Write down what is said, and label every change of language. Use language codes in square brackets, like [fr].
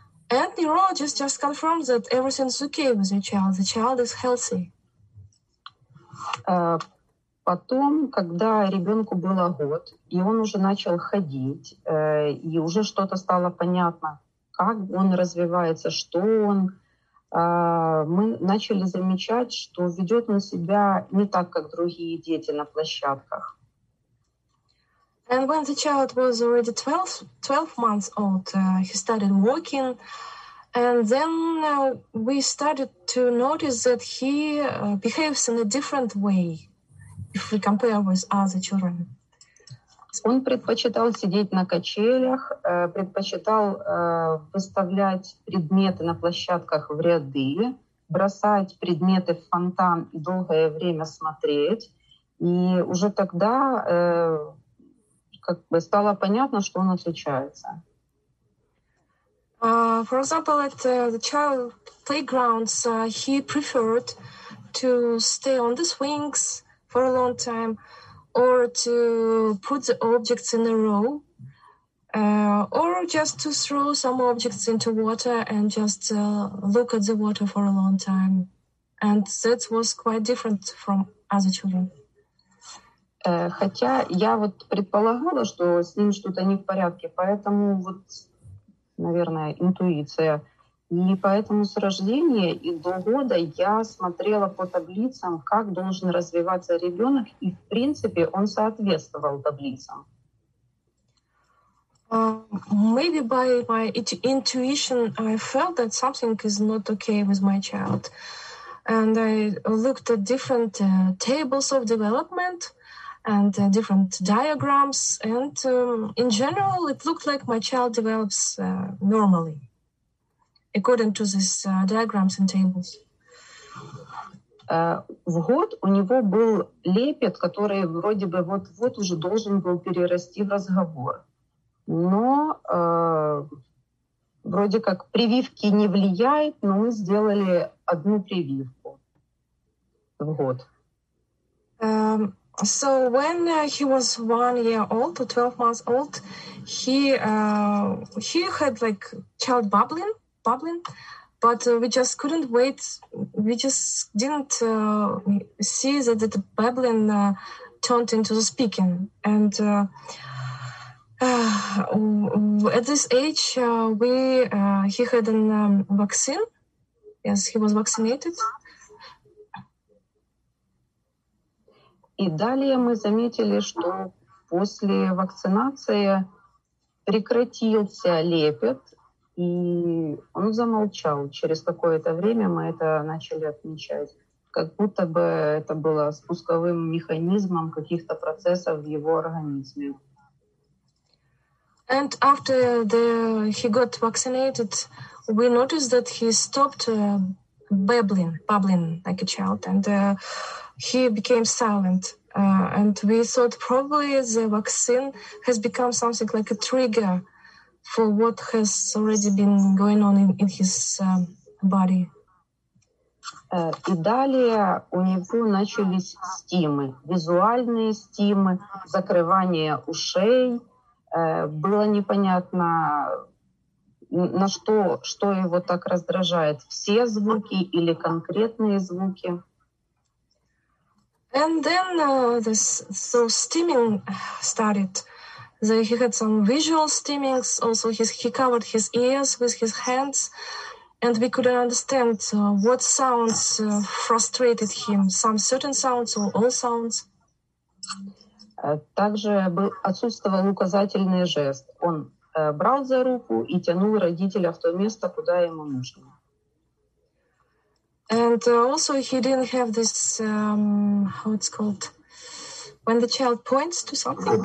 [en] And neurologist just confirmed that everything's okay with your child. The child is healthy. [ru] Потом, когда ребенку было год, и он уже начал ходить, и уже что-то стало понятно, как он развивается, что он, мы начали замечать, что ведет он себя не так, как другие дети на площадках. [en] And when the child was already 12 months old, he started walking, and then we started to notice that he behaves in a different way. If we compare with other children. [ru] Он предпочитал сидеть на качелях, предпочитал выставлять предметы на площадках в ряды, бросать предметы в фонтан и долгое время смотреть. И уже тогда как бы стало понятно, что он отличается. [en] For example, at the child playgrounds, he preferred to stay on the swings for a long time, or to put the objects in a row, or just to throw some objects into water and just look at the water for a long time. And that was quite different from other children. [ru] Хотя я вот предполагала, что с ним что-то не в порядке, поэтому вот, наверное, интуиция. И поэтому с рождения и до года я смотрела по таблицам, как должен развиваться ребенок, и в принципе он соответствовал таблицам. [en] Maybe by my intuition I felt that something is not okay with my child. And I looked at different tables of development and different diagrams, and in general it looked like my child develops normally, according to these diagrams and tables. [ru] В год у него был лепет, который вроде бы вот-вот уже должен был перерасти в разговор. Но вроде как прививки не влияют, но мы сделали одну прививку в год. [en] So when he was 1 year old or 12 months old, he had like child bubbling, but we just couldn't wait. We just didn't see that the bubbling turned into the speaking. And at this age, he had a vaccine. Yes, he was vaccinated. [ru] И далее мы заметили, что после вакцинации прекратился лепет, и он замолчал. Через какое-то время мы это начали отмечать, как будто бы это было спусковым механизмом каких-то процессов в его организме. [en] And after he got vaccinated, we noticed that he stopped bubbling like a child, and he became silent, and we thought probably the vaccine has become something like a trigger for what has already been going on in his body. [ru] И далее у него начались стимы, визуальные стимы, закрывание ушей. Было непонятно, на что его так раздражает, все звуки или конкретные звуки. [en] And then stimming started. So he had some visual stimmings. Also, he covered his ears with his hands, and we couldn't understand what sounds frustrated him. Some certain sounds or all sounds. [ru] Также отсутствовал указательный жест. Он брал за руку и тянул родителя в то место, куда ему нужно. [en] And also he didn't have this, how it's called, when the child points to something?